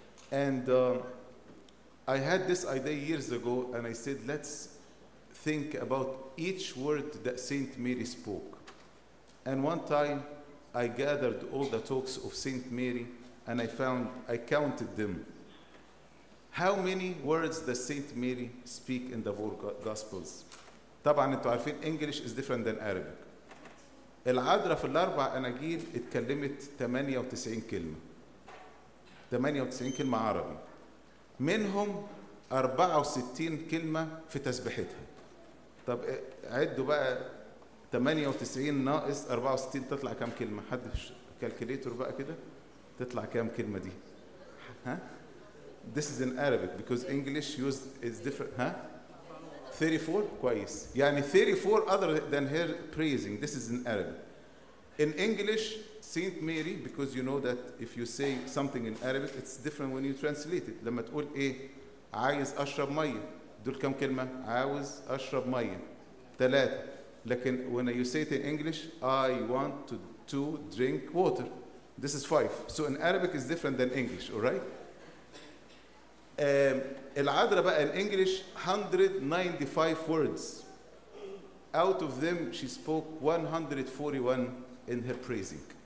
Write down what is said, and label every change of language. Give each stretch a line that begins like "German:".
English: And I had this idea years ago, and I said, let's think about each word that Saint Mary spoke. And one time, I gathered all the talks of Saint Mary, and I counted them. How many words does Saint Mary speak in the four Gospels?
Arabic: طبعاً انتوا عارفين
English: English is different than Arabic.
Arabic: العذراء في الأربع أناجيل اتكلمت 98 كلمة، 98 كلمة عربي، منهم 64 كلمة في تسبيحتها. طب عدوا بقى 98 ناقص 64 تطلع كم كلمة؟ حد كالكليتور بقى كده تطلع كم كلمة دي؟ ها؟
English: This is in Arabic because English used is different.
Arabic: ها؟ 34 كويس، يعني 34
English: other than her praising. This is in Arabic. In English, Saint Mary, because you know that if you say something in Arabic, it's different when you translate it.
Arabic: لما تقول إيه؟ عايز أشرب مية. دول كم كلمة؟ عاوز أشرب مية. ثلاثة. لكن
English: when you say it in English, I want to drink water. This is 5. So in Arabic is different than English, all right?
Arabic: العذراء بقى
English: in English, 195 words. Out of them, she spoke 141 in her praising.